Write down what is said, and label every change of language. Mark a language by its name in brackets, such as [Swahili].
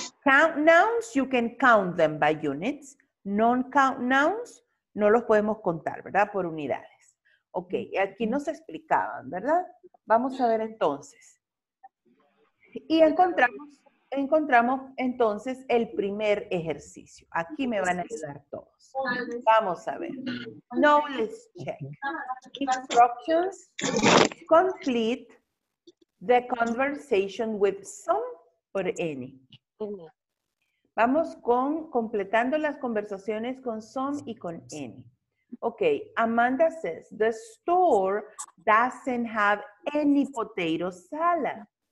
[English] Count nouns, you can count them by units. Non-count nouns, [Spanish] no los podemos contar, ¿verdad? Por unidades. Okay, aquí nos explicaban, ¿verdad? Vamos a ver entonces. Y encontramos entonces el primer ejercicio. Aquí me van a ayudar todos. Vamos a ver. [English] Now let's check. Instructions. Complete the conversation with some or any. [Spanish] Vamos con completando las conversaciones con some y con any. [English] Ok, Amanda says, the store doesn't have any potato salad.